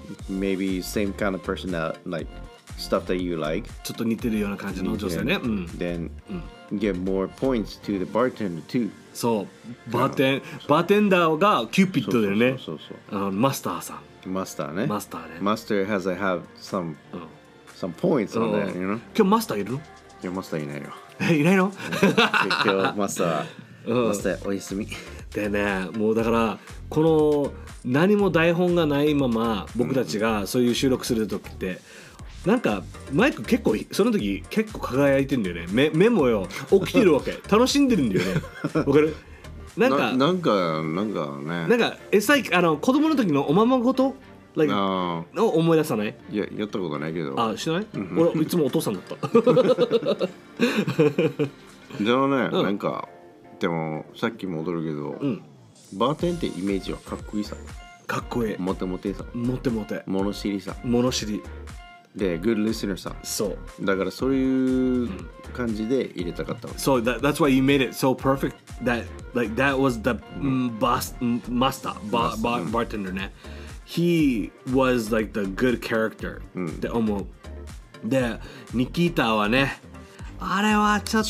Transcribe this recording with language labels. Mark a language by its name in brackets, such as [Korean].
[English] Maybe same kind of person that like stuff that you like [Japanese] ちょっと似てるような感じの女性ね、うん、 [English] Then、うん、get more points to the bartender too [Japanese] そう、バーテンダーがキューピッドだよねマスターさんマスターねマスターね [English] マスター has to have some、うん、some points on that, you know? [Japanese] 今日マスターいるの今日マスターいないよいないの今日マスター、うん、マスターお休みでね、もうだからこの何も台本がないまま僕たちがそういう収録する時って、うんなんかマイク結構その時結構輝いてるんだよね 目もよ起きてるわけ楽しんでるんだよねわかるなんかなんかねなんかえさあの子供の時のおままごと、like、 [English] no. [Japanese] を思い出さないいややったことないけどあしない俺いつもお父さんだったでもね、うん、なんかでもさっき戻るけど、うん、バーテンってイメージはかっこいいさかっこいいモテモテさモテモテ物知りさ物知りで、good listener さん。そう。だからそういう感じで入れたかったわけ。 [English] So that's why you made it so perfect that like that was the、うん、bartender ね。 He was like the good character、 [Japanese] うん、って思う。で、ニキータはね、あれはちょっと。